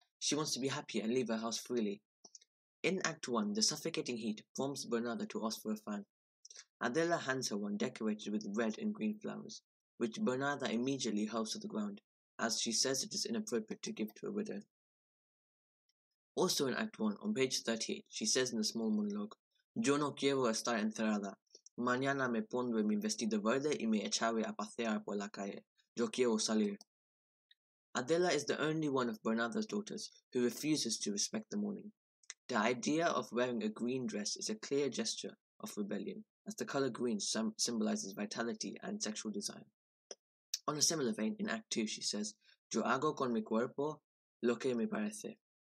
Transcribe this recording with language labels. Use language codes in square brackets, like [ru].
[en] She wants to be happy and leave her house freely. In Act 1, the suffocating heat prompts Bernarda to ask for a fan. Adela hands her one decorated with red and green flowers, which Bernarda immediately hurls to the ground, as she says it is inappropriate to give to a widow. Also in Act 1, on page 38, she says in a small monologue, [es] Yo no quiero estar encerrada. Mañana me pondré mi vestido verde y me echaré a pasear por la calle. Yo quiero salir. [en] Adela is the only one of Bernarda's daughters who refuses to respect the morning. The idea of wearing a green dress is a clear gesture of rebellion, as the color green symbolizes vitality and sexual desire. On a similar vein, in Act 2, she says, [es] Yo hago con mi cuerpo lo que me parece.